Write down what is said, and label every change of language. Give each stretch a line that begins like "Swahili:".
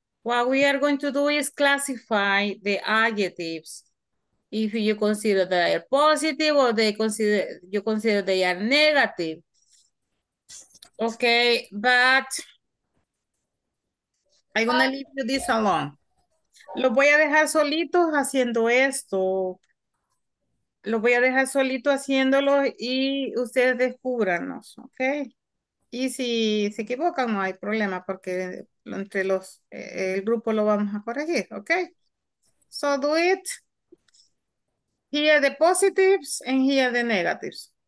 English: What we are going to do is classify the adjectives. If you consider they are positive or they consider you consider they are negative. Okay, but I'm gonna leave you this alone.
Spanish: Los voy a dejar solitos haciendo esto. Los voy a dejar solitos haciéndolo y ustedes descúbranos, okay? Y si se equivocan, no hay problema porque entre los el grupo lo vamos a corregir, okay?
English: So do it. Here are the positives and here are the negatives.